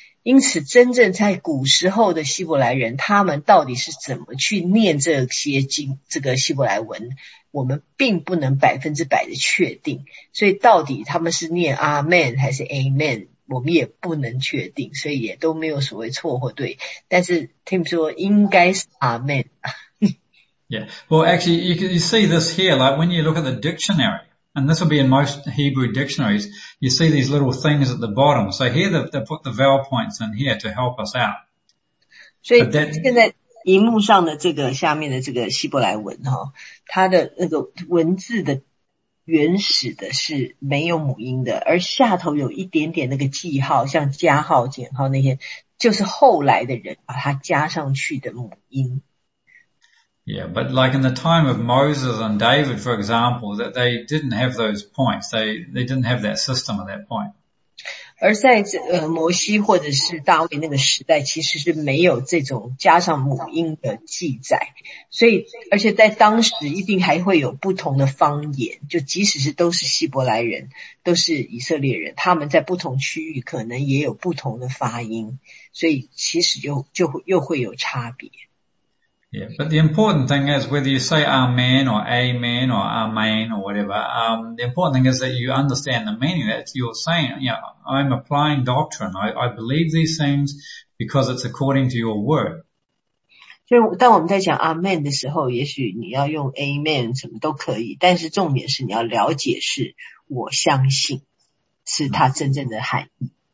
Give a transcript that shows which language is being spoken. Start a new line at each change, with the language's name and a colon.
Chinese: 因此，真正在古时候的希伯来人，他们到底是怎么去念这些经这个希伯来文？我们并不能百分之百的确定，所以到底他们是念 Amen 还是 Amen， 我们也不能确定，所以也都没有所谓错或对。但是 Tim 说应该是 Amen。
English: Yeah, well, actually, you see this here, like when you look at the dictionary, and this will be in most Hebrew dictionaries, you see these little things at the bottom. So here they put the vowel points in here to help us out.
Chinese: 所以现在荧幕上的这个下面的这个希伯来文哈，它的那个文字的原始的是没有母音的，而下头有一点点那个记号，像加号、减号那些，就是后来的人把它加上去的母音。
English: Yeah, but like in the time of Moses and David, for example, that they didn't have those points. They didn't have that system at that point.
Chinese: 而在摩西或者是大卫那个时代，其实是没有这种加上母音的记载，所以而且在当时一定还会有不同的方言，就即使是都是希伯来人，都是以色列人，他们在不同区域可能也有不同的发音，所以其实又会有差别。
English: Yeah, but the important thing is whether you say Amen or Amen or Amen or whatever, the important thing is that you understand the meaning that you're saying. You know, I'm applying doctrine. I believe these things because it's according to your word.
Chinese: 就当我们在讲 Amen 的时候，也许你要用 Amen 什么都可以，但是重点是你要了解是我相信是它真正的含义。